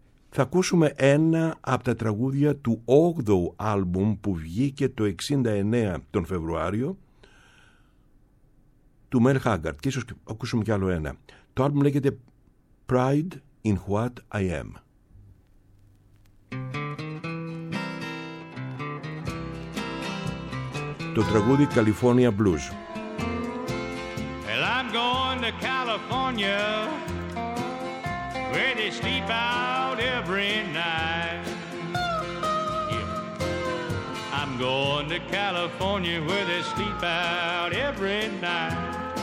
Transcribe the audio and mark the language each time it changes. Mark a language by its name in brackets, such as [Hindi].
[Greek] Θα ακούσουμε ένα από τα τραγούδια του 8ου άλμπουμ που βγήκε το 69 τον Φεβρουάριο του Merle Haggard, και ίσως ακούσουμε κι άλλο ένα. Το άλμπουμ λέγεται Pride in What I Am. Το τραγούδι California Blues. [English] Well, I'm going to California, where they sleep out every night. Yeah. I'm going to California, where they sleep out every night.